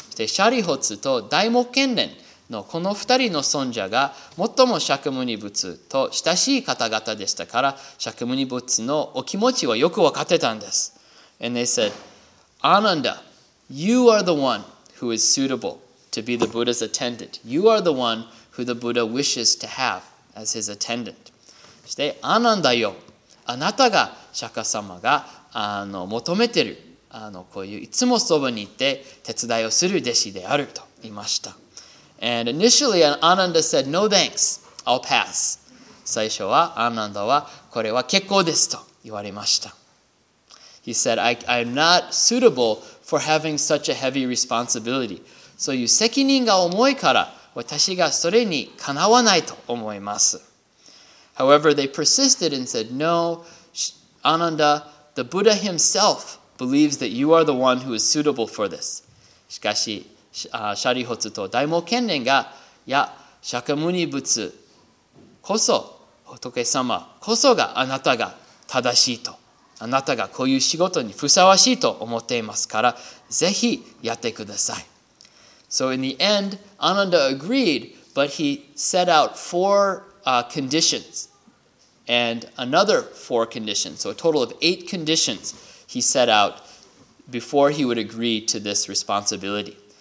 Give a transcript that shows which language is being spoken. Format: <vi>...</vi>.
<ja>Sharihotsu to Daimokkenden のこの二人の尊者が最も釈牟尼仏と親しい方々でしたから、釈牟尼仏のお気持ちはよく分かってたんです。</ja> <en>And they said, Ananda, you are the one who is suitable to be the Buddha's attendant. You are the one who the Buddha wishes to have as his attendant.</en> <ja>そして、アナンダよ。あなたが釈迦様が求めてる。こういういつもそばに行って手伝いをする弟子であると言いました。</ja> <en>And initially, Ananda said, no thanks, I'll pass.</en> <ja>最初は、アナンダはこれは結構ですと言われました。</ja> <en>He said, I'm not suitable for having such a heavy responsibility.</en> <ja>そういう責任が重いから私がそれにかなわないと思います。</ja> <en>However, they persisted and said, No, Ananda, the Buddha himself believes that you are the one who is suitable for this.</en> <ja>しかし、シャリホツと大毛賢人が、いや、釈迦牟尼仏こそ、仏様こそがあなたが正しいと。あなたがこういう仕事にふさわしいと思っていますから、ぜひやってください。</ja> <en>So in the end, Ananda agreed, but he set out four conditions and another four conditions. So a total of eight conditions he set out before he would agree to this responsibility.</en>